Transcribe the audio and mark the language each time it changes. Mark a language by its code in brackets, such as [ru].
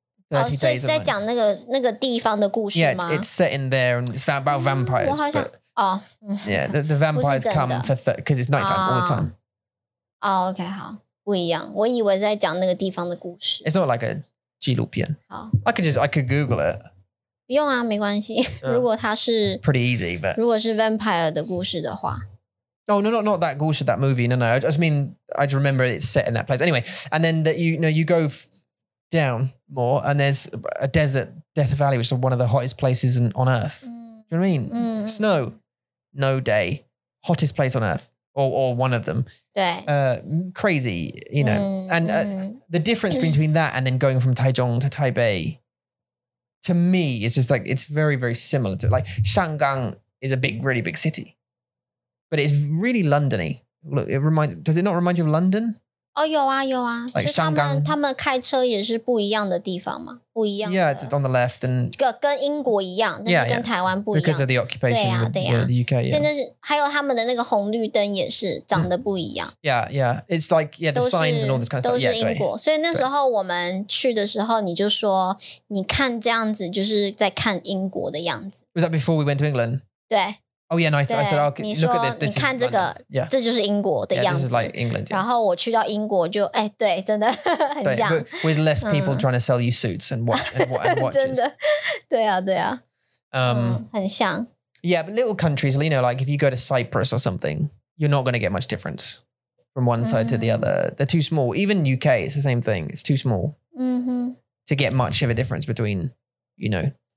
[zh] 所以是在讲那个地方的故事吗？ [en] Yeah, it's set in there and it's about vampires. [zh] 我好像， [en] Yeah, the vampires come for because it's nighttime all the time. Oh, okay, [zh] 好，不一样。我以为是在讲那个地方的故事。 [en] It's not like a [zh] 纪录片。好 [en] ，I could Google it. [zh] 不用啊，没关系。如果它是 [en] pretty easy, but [zh] 如果是 vampire 的故事的话。 [en] Oh, no, not that [zh] 故事, [en] that movie. No, I just mean I remember it's set in that place. Anyway, and then that you go. Down more, and there's a desert, Death Valley, which is one of the hottest places on earth. Do you know what I mean? Snow, no day, hottest place on earth, or one of them. Crazy, you know. The difference between that and then going from Taichung to Taipei, to me, it's just like it's very, very similar to like Shangang is a big, really big city, but it's really London-y. Look, it reminds, does it not remind you of London? [zh] 有啊。 [en] Like, [zh] 他们开车也是不一样的地方吗? 不一样的。 [en] Yeah, it's on the left. And [zh] 跟英国一样, 但是跟台湾不一样。 [en] Because of the occupation of the UK, yeah. [zh] 现在是还有他们的那个红绿灯也是长得不一样。 [en] Yeah. It's like, yeah, the [zh] 都是, [en] signs and all this kind of stuff. [zh] 都是英国。所以那时候我们去的时候你就说, 你看这样子就是在看英国的样子。 [en] Was that before we went to England? [zh] 对。 [en] Oh yeah, no, I said, look at this. This [zh] 你看这个, [en] yeah. [zh] 这就是英国的样子。 [en] Yeah, this is like England. Yeah. [zh] 然后我去到英国就, 哎, 对, 真的, 很像, 对, [en] with less people trying to sell you suits and watch and watches. [zh] 真的, 对啊, 对啊, 很像。 [en] Yeah, but little countries, you know, like if you go to Cyprus or something, you're not going to get much difference from one side to the other. They're too small. Even UK, it's the same thing. It's too small to get much of a difference between, you know,